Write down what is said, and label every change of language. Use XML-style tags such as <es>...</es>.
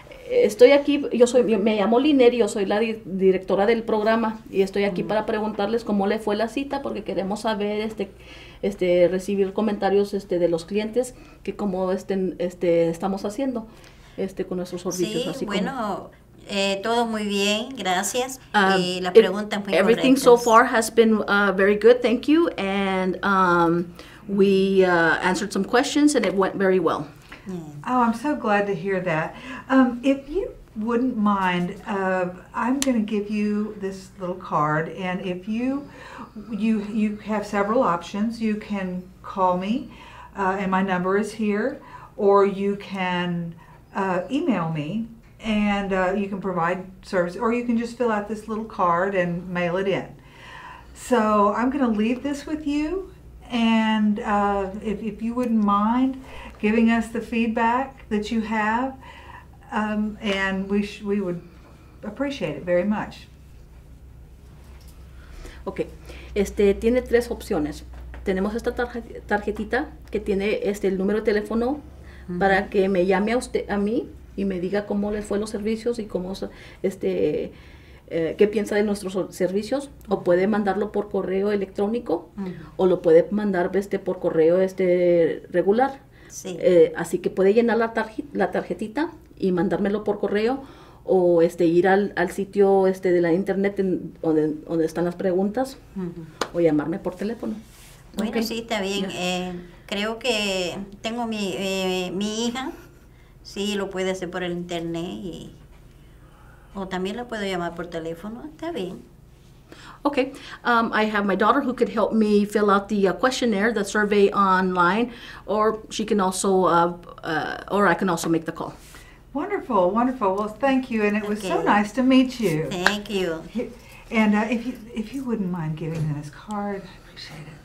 <es>Estoy aquí, me llamo Liner, yo soy la directora del programa y estoy aquí para preguntarles cómo le fue la cita porque queremos saber recibir comentarios de los clientes que cómo estamos haciendo con nuestros servicios. Sí, así bueno, como. Todo muy bien, gracias. La pregunta es muy correcta.</es> <en>Everything so far has been very good, thank you. And we answered some questions and it went very well. Oh, I'm so glad to hear that. If you wouldn't mind, I'm going to give you this little card. And if you have several options, you can call me and my number is here. Or you can email me and you can provide service. Or you can just fill out this little card and mail it in. So I'm going to leave this with you. And if you wouldn't mind giving us the feedback that you have, and we would appreciate it very much.</en> <es>Okay, tiene tres opciones. Tenemos esta tarjetita que tiene el número de teléfono para que me llame a mí y me diga cómo le fue los servicios y cómo qué piensa de nuestros servicios, o puede mandarlo por correo electrónico, o lo puede mandar por correo regular. Sí. Así que puede llenar la tarjetita y mandármelo por correo, o ir al sitio de la internet donde están las preguntas, o llamarme por teléfono. Bueno, okay. Sí, está bien. Yeah. Creo que tengo mi hija, sí, lo puede hacer por el internet y... O también la puedo llamar por teléfono, está bien.</es> <en>Okay, I have my daughter who could help me fill out the questionnaire, the survey online, or she can also, or I can also make the call. Wonderful, wonderful. Well, thank you, and it was so nice to meet you. Thank you. And if you wouldn't mind giving me this card, I appreciate it.</en>